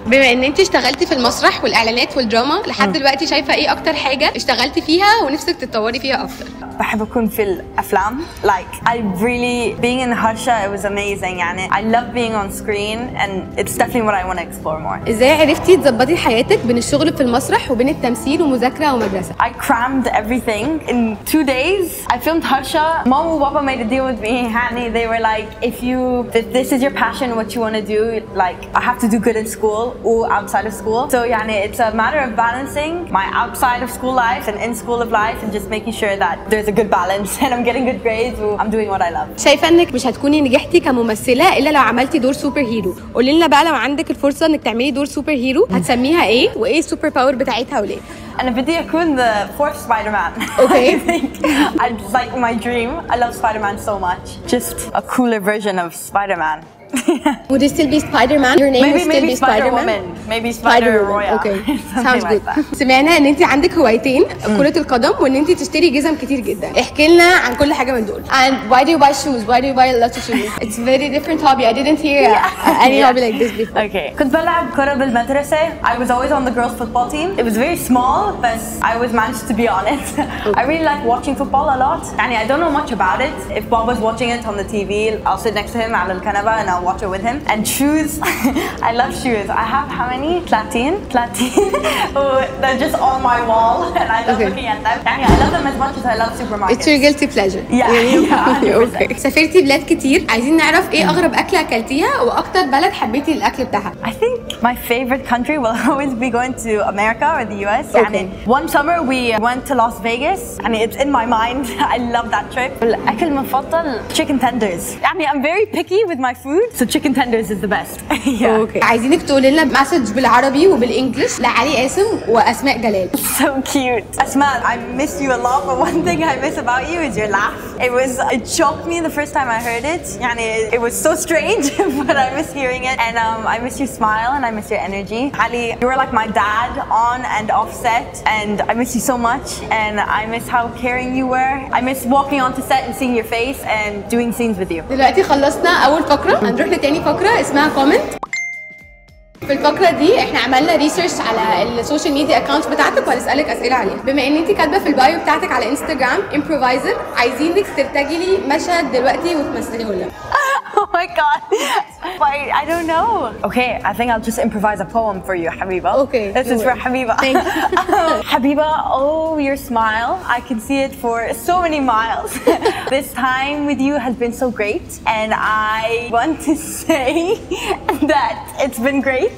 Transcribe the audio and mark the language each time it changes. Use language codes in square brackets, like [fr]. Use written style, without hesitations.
[ar] بما ان انت اشتغلتي في المسرح والاعلانات والدراما لحد دلوقتي, شايفه ايه اكتر حاجه اشتغلتي فيها ونفسك تتطوري فيها اكتر؟ بحب اكون في الافلام. [en] Like I really being in هرشا, it was amazing. يعني I love being on screen and it's definitely what I want to explore more. [ar] ازاي عرفتي تظبطي حياتك بين الشغل في المسرح وبين التمثيل ومذاكره ومدرسه؟ [en] I crammed everything in 2 days. I filmed هرشا. Mom and Papa made a deal with me. يعني they were like if this is your passion, what you want to do, like I have to do good in school or outside of school. So يعني it's a matter of balancing my outside of school life and in school of life and just making sure that there's a good balance and I'm getting good grades and I'm doing what I love. [ar] شايفه انك مش هتكوني نجحتي كممثله الا لو عملتي دور سوبر هيرو. قولي لنا بقى لو عندك الفرصه انك تعملي دور سوبر هيرو هتسميها ايه وايه السوبر باور بتاعتها وليه؟ انا بدي اكون [en] the fourth Spider-Man. Okay. I'd like my dream. I love Spider-Man so much. Just a cooler version of Spider-Man. Would you still be Spider-Man? Your name would still be Spider-Man? Maybe Spider-Royal. Okay, sounds good. [ar] سمعنا ان انت عندك هوايتين, كرة القدم وان انت تشتري جزم كتير جدا. احكي لنا عن كل حاجة من دول. [en] And why do you buy shoes? Why do you buy lots of shoes? It's a very different hobby. I didn't hear any hobby like this before. [ar] Okay. كنت بلعب كرة بالمدرسة. [en] I was always on the girls' football team. It was very small, but I always managed to be on it. I really like watching football a lot. يعني I don't know much about it. If Bob was watching it on the TV, I'll sit next to him [ar] على الكنبة [en] and I'll watch it with him. And shoes. I love shoes. I have how many? 13. 13. They're just on my wall and I love looking at them. يعني I love them as much as I love supermarkets. It's your guilty pleasure. Yeah. [ar] Okay. سافرتي بلاد كتير. عايزين نعرف ايه اغرب اكلة اكلتيها واكتر بلد حبيتي الاكل بتاعها. [en] I think my favorite country will always be going to America or the US. يعني one summer we went to Las Vegas. I mean it's in my mind. I love that trip. [ar] الاكل المفضل [en] chicken tenders. يعني I'm very picky with my food, so chicken tenders is the best. Okay. [ar] عايزينك تقولي لنا مسج بالعربي وبالانجلش لعلي قاسم واسماء جلال. [en] So cute. اسماء, I miss you a lot, but one thing I miss about you is your laugh. It shocked me the first time I heard it. يعني it was so strange, but I miss hearing it. And I miss your smile and I miss your energy. علي, you were like my dad on and off set, and I miss you so much. And I miss how caring you were. I miss walking onto set and seeing your face and doing scenes with you. [ar] دلوقتي خلصنا اول فقرة, هنروح لتاني فقرة اسمها comment. في الفقرة دي احنا عملنا ريسيرش على السوشيال ميديا اكاونت بتاعتك وهنسألك اسئلة عليها. بما ان انتي كاتبة في البايو بتاعتك على انستجرام improviser, عايزينك ترتجي لي مشهد دلوقتي وتمثلي هولا. [en] Oh my god. I don't know. Okay, I think I'll just improvise a poem for you, Habiba. Okay. This is for Habiba. Thank you. Habiba, oh, your smile. I can see it for so many miles. This time with you has been so great. And I want to say that it's been great.